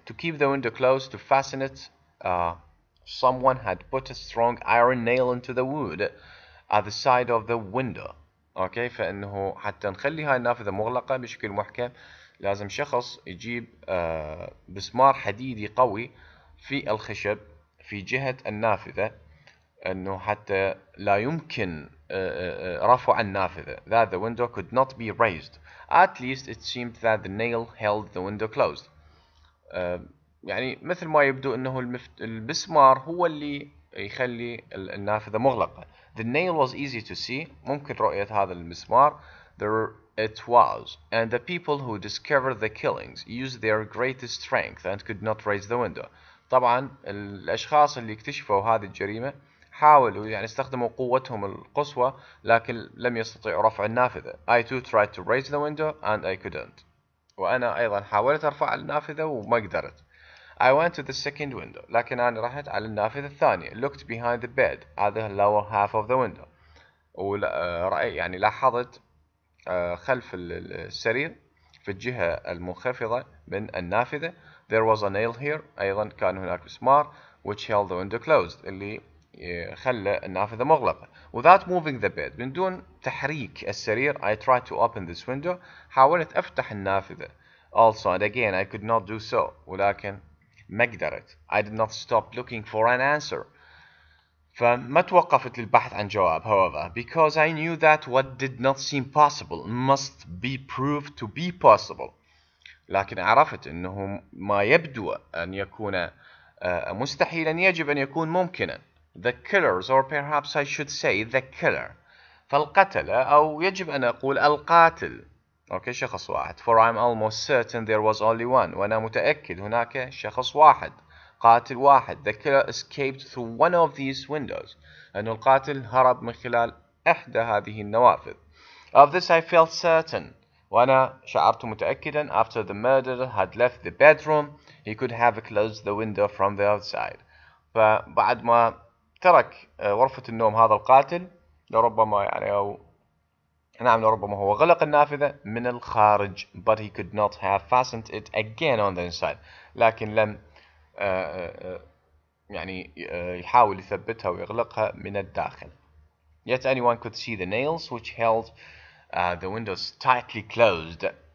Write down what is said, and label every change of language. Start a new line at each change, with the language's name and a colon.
English: To keep the window closed. To fasten it. Someone had put a strong iron nail into the wood. At the side of the window. Okay.
Arabic: فإنه حتى نخلي هاي النافذة مغلقة بشكل محكم. لازم شخص يجيب بسمار حديدي قوي في الخشب في جهة النافذة انه حتى لا يمكن رفع النافذة.
English: That the window could not be raised. At least it seemed that the nail held the window closed.
Arabic: يعني مثل ما يبدو انه البسمار هو اللي يخلي النافذة مغلقة.
English: The nail was easy to see.
Arabic: ممكن رؤية هذا المسمار.
English: It was, and the people who discovered the killings used their greatest strength and could not raise the window.
Arabic: طبعا الأشخاص اللي اكتشفوا هذه الجريمة حاولوا يعني استخدموا قوتهم القصوى لكن لم يستطيعوا رفع النافذة.
English: I too tried to raise the window and I couldn't.
Arabic: وأنا أيضا حاولت أرفع النافذة وما قدرت.
English: I went to the second window.
Arabic: لكن أنا رحت على النافذة الثانية.
English: Looked behind the bed at the lower half of the window.
Arabic: ورأي يعني لاحظت خلف السرير في الجهة المنخفضة من النافذة.
English: There was a nail here.
Arabic: أيضا كان هناك مسمار
English: which held the window closed
Arabic: اللي خلى النافذة مغلقة.
English: Without moving the bed
Arabic: من دون تحريك السرير
English: I tried to open this window.
Arabic: حاولت أفتح النافذة.
English: Also and again I could not do so.
Arabic: ولكن ما قدرت.
English: I did not stop looking for an answer.
Arabic: فما توقفت للبحث عن جواب.
English: However, because I knew that what did not seem possible must be proved to be possible.
Arabic: لكن عرفت أنه ما يبدو أن يكون مستحيلا يجب أن يكون ممكنا.
English: The killers, or perhaps I should say the killer.
Arabic: فالقتلة أو يجب أن أقول القاتل. Okay, شخص واحد.
English: For I'm almost certain there was only one.
Arabic: وأنا متأكد هناك شخص واحد. قاتل واحد.
English: The killer escaped through one of these windows.
Arabic: أن القاتل هرب من خلال إحدى هذه النوافذ.
English: Of this I felt certain.
Arabic: وأنا شعرت متأكدا.
English: After the murderer had left the bedroom, he could have closed the window from the outside.
Arabic: فبعد ما ترك غرفة النوم هذا القاتل لربما يعني أو نعم لربما هو غلق النافذة من الخارج.
English: But he could not have fastened it again on the inside.
Arabic: لكن لم يعني يحاول يثبتها ويغلقها من الداخل.
English: Yet anyone could see the nails which held the windows tightly closed.